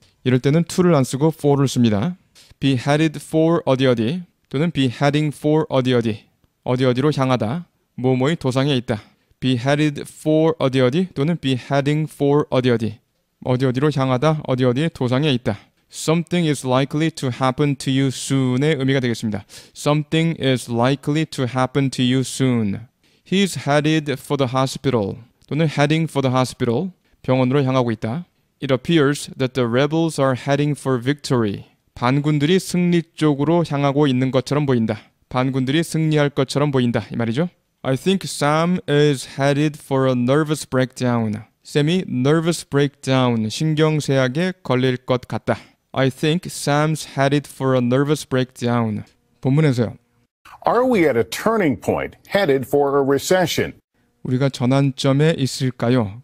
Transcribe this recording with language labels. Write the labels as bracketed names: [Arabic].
[Korean] 이럴 때는 to를 안 쓰고 for를 씁니다. [English] Be headed for [Korean] 어디어디 또는 [English] be heading for [Korean] 어디어디 어디어디로 향하다. 뭐뭐의 도상에 있다. [English] Be headed for [Korean] 어디어디 또는 [English] be heading for [Korean] 어디어디 어디어디로 향하다. 어디어디의 도상에 있다. [English] Something is likely to happen to you soon [Korean] 의 의미가 되겠습니다. [English] Something is likely to happen to you soon. He's headed for the hospital. 또는 heading for the hospital, [Korean] 병원으로 향하고 있다. [English] It appears that the rebels are heading for victory. [Korean] 반군들이 승리 쪽으로 향하고 있는 것처럼 보인다. 반군들이 승리할 것처럼 보인다. 이 말이죠. [English] I think Sam is headed for a nervous breakdown. [Korean] Sam이 nervous breakdown, 신경쇠약에 걸릴 것 같다. [English] I think Sam's headed for a nervous breakdown. [Korean] 본문에서요. [English] Are we at a turning point headed for a recession? [Korean] 우리가 전환점에 있을까요?